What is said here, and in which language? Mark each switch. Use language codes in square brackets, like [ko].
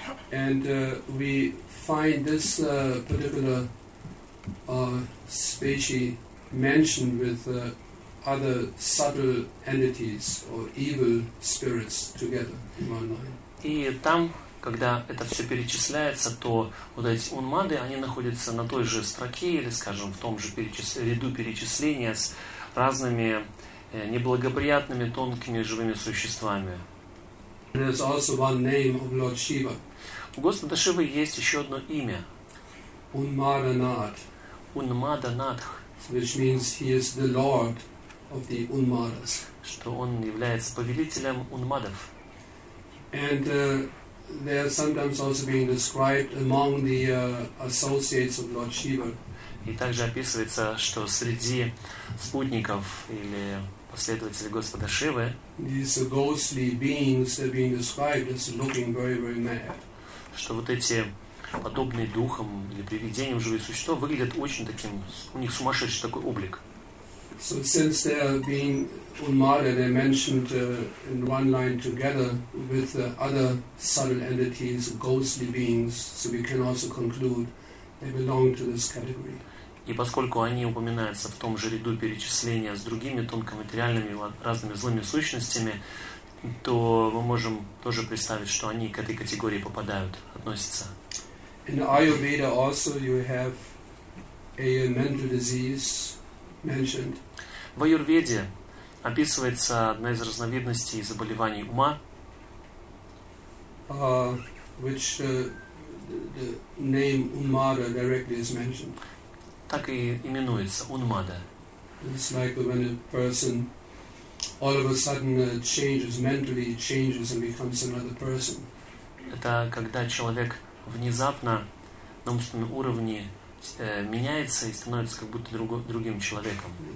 [en] And we find this particular species mentioned with other subtle entities or evil spirits together in one line. [ru] И там, когда это все перечисляется, то вот эти унмады, они находятся на той же строке или, скажем, в том же ряду перечисления с разными неблагоприятными тонкими живыми существами. [en] There's also one name of Lord Shiva. [ru] У Господа Шивы есть еще одно имя. [en] Unmadanath. Unmadanath. Which means he is the Lord of the Unmadas. [ru] Что он является повелителем унмадов. [en] And they are sometimes also being described among the associates of Lord Shiva. [ru] И также описывается, что среди спутников или последователей Господа Шивы [en] these ghostly beings are being described as looking very, very mad. [ru] Что вот эти подобные духам или привидениям живые существа выглядят очень таким, у них сумасшедший такой облик. [en] So since they are being Unmada, they mentioned in one line together with other subtle entities, ghostly beings, so we can also conclude they belong to this category. [ru] И поскольку они упоминаются в том же ряду перечисления с другими тонкоматериальными разными злыми сущностями, то мы можем тоже представить, что они к этой категории попадают, относятся. [en] In Ayurveda also you have a mental disease mentioned. [ru] В Аюрведе описывается одна из разновидностей заболеваний ума, [en] which the name Unmada directly is mentioned. [ru] Так и именуется Unmada. [en] It's like when a person all of a sudden changes mentally, changes and becomes another person. [ru] Это когда человек внезапно на умственном уровне меняется и становится как будто другим человеком.